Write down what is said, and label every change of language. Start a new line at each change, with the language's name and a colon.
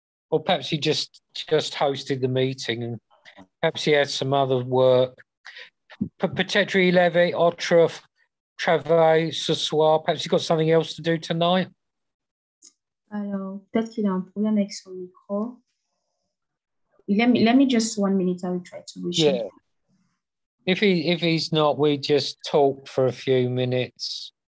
English: Or perhaps he just hosted the meeting, and perhaps he has some other work.
French: Peut-être il avait autre travail ce soir.
English: Perhaps he's got something else to do tonight.
French: Alors, peut-être qu'il a un problème avec son micro.
English: Let me just 1 minute. I will try to reach. Yeah. If he's not, we just talk for a few minutes.